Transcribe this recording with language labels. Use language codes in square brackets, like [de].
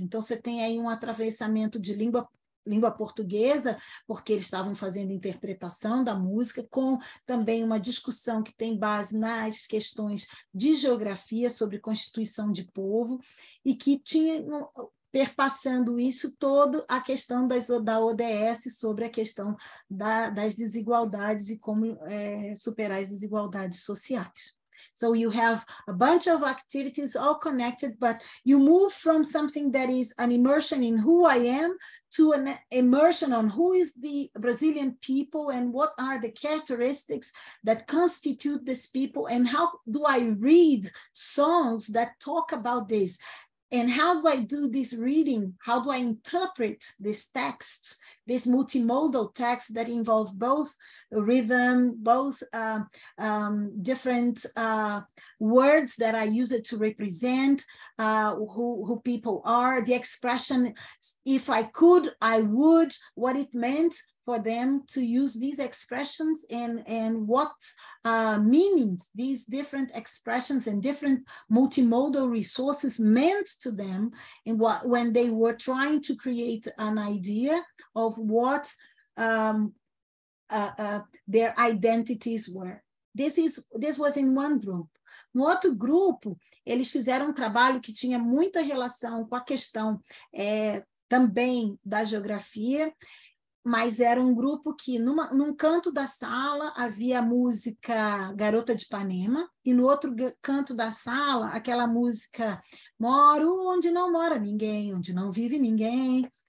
[pt] Então, você tem aí um atravessamento de língua portuguesa, porque eles estavam fazendo interpretação da música, com também uma discussão que tem base nas questões de geografia sobre constituição de povo, e que tinha, perpassando isso, toda a questão da ODS sobre a questão das desigualdades e como superar as desigualdades sociais. [en] So you have a bunch of activities all connected, but you move from something that is an immersion in who I am to an immersion on who is the Brazilian people and what are the characteristics that constitute this people and how do I read songs that talk about this and how do I do this reading? How do I interpret these texts this multimodal text that involve both rhythm, both different words that I use it to represent who people are, the expression, if I could, I would, what it meant for them to use these expressions and what meanings these different expressions and different multimodal resources meant to them and what, when they were trying to create an idea of what their identities were. This was in one group. [pt] No outro grupo, eles fizeram um trabalho que tinha muita relação com a questão também da geografia, mas era um grupo que num canto da sala havia a música Garota de Ipanema e no outro canto da sala aquela música Moro onde não mora ninguém, onde não vive ninguém.